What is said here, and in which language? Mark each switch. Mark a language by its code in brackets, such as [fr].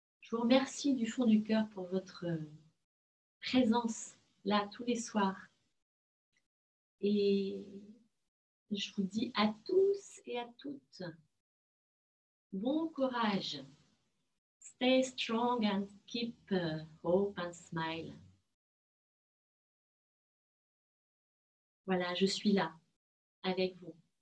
[fr] Je vous remercie du fond du cœur pour votre présence là tous les soirs. Et je vous dis à tous et à toutes, bon courage. [en] Stay strong and keep hope and smile. [fr] Voilà, je suis là avec vous.